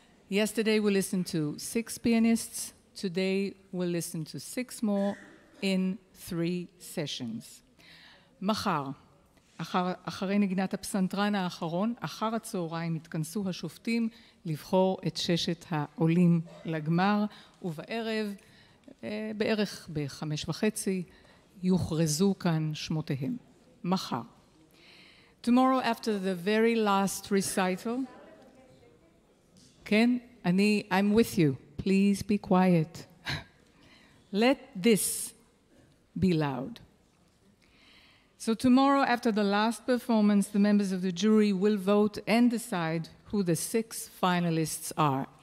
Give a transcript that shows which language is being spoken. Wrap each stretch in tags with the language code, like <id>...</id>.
<en>Yesterday we listened to 6 pianists. Today we'll listen to 6 more in 3 sessions.</en> <he>מחר, אחרי נגינת הפסנתרן האחרון, אחר הצהריים התכנסו השופטים לבחור את ששת העולים לגמר, ובערב, בערך ב-5:30, יוכרזו כאן שמותיהם. מחר.</he> <en>Tomorrow after the very last recital.</en> <he>כן, אני,</he> <en>I'm with you. Please be quiet. Let this be loud. So tomorrow after the last performance, the members of the jury will vote and decide who the 6 finalists are.</en>